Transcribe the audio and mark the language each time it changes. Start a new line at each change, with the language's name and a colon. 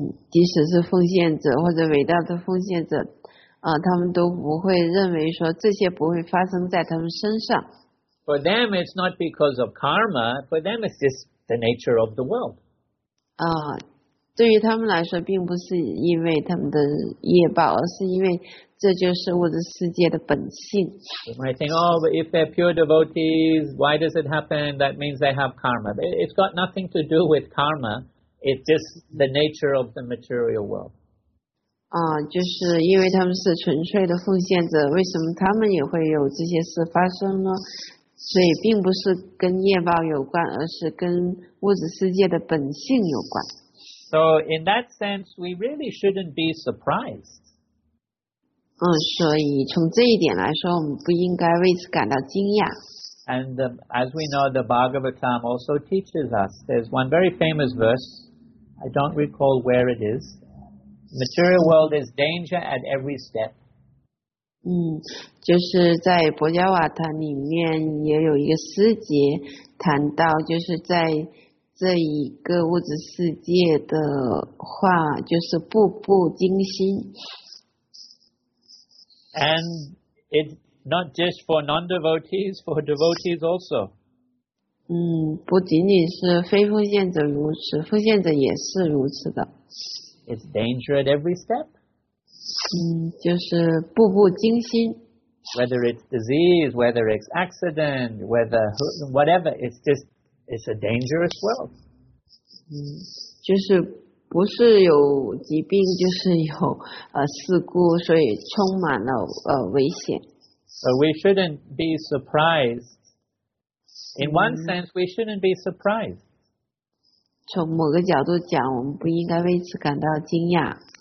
Chinese: 即使是奉献者或者伟大的奉献者。他们都不会认为说这些不会发生在他们身上。
English: For them, it's not because of karma. For them, it's just the nature of the world.
Chinese: 对于他们来说，并不是因为他们的业报，而是因为这就是物质世界的本性。
English: You might think, oh, but if they're pure devotees, why does it happen? That means they have karma. It's got nothing to do with karma. It's just the nature of the material world.
Chinese: 就是因为他们是纯粹的奉献者，为什么他们也会有这些事发生呢？所以并不是跟业报有关，而是跟物质世界的本性有关。
English: So in that sense, we really shouldn't be surprised.
Chinese: 所以从这一点来说，我们不应该为此感到惊讶。
English: And as we know, the Bhagavatam also teaches us. There's one very famous verse. I don't recall where it is. Material world is danger at every step.
Chinese: 就是在《博伽瓦塔》里面也有一个师节谈到，就是在这一个物质世界的话，就是步步惊心。
English: And it's not just for non-devotees, for devotees also.
Chinese: 不仅仅是非奉献者如此，奉献者也是如此的。
English: It's danger at every step.
Chinese: 就是步步惊心。
English: Whether it's disease, whether it's accident, whether whatever, it's a dangerous world.
Chinese: 就是不是有疾病，就是有事故，所以充满了危险。
English: So we shouldn't be surprised. In one sense, we shouldn't be surprised.
Chinese: 从某个角度讲，我们不应该为此感到惊讶。